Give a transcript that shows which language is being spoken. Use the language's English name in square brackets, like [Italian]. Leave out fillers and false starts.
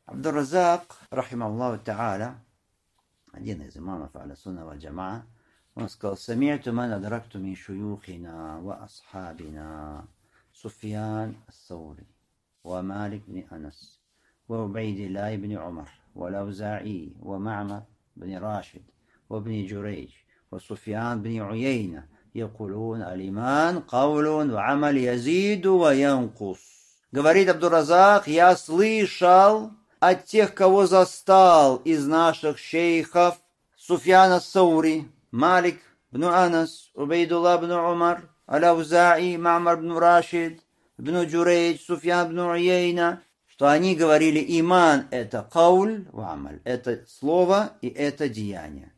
[Russian] Абдур-Разак, рахималлаху та'аля, один из имамов Ахлюс-Сунна валь-Джамаа, он сказал, [Arabic] «Самиту ман адракту мин шуюхина ва асхабина Суфьян ас-Саури, ва Малик бни Анас, ва Убейдиллахи бни Умар, ва Лаузаи, ва Ма'мар бни Рашид, ва бни Джурейдж, ва Суфьян бни Уйейна». يقولون الإيمان قول وعمل يزيد وينقص. [Russian] Говорит Абдур-Разак, я слышал от тех, кого застал из наших шейхов, Суфьяна ас-Саури, Малик бну Анас, Убейдулла бну Умар, Аляузаи, Маамар бну Рашид, бну Джурейдж, Суфьян бну Уйейна, что они говорили, иман это [Arabic] قول وعمل, [Russian] это слово и это деяние.